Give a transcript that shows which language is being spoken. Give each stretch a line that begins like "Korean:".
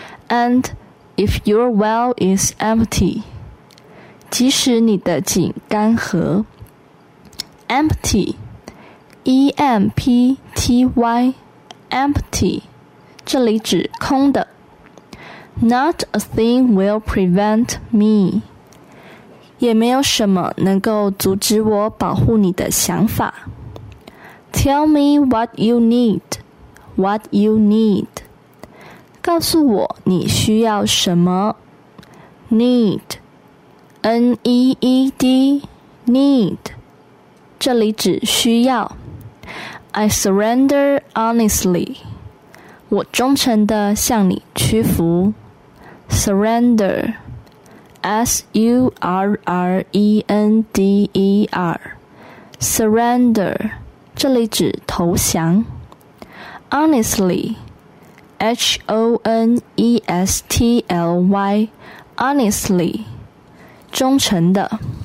English: And if your well is empty,
Chinese: 即使你的井干涸。
English: Empty, E-M-P-T-Y, empty,
Chinese: 这里指空的。
English: Not a thing will prevent me,
Chinese: 也没有什么能够阻止我保护你的想法。
English: Tell me what you need, what you need,
Chinese: 告诉我你需要什么。
English: Need, N-E-E-D, need,
Chinese: 这里指需要。
English: I surrender honestly,
Chinese: 我忠诚地向你屈服。
English: Surrender, S-U-R-R-E-N-D-E-R, surrender,
Chinese: 这里指投降。
English: HonestlyH-O-N-E-S-T-L-Y, honestly,
Chinese: 忠诚的。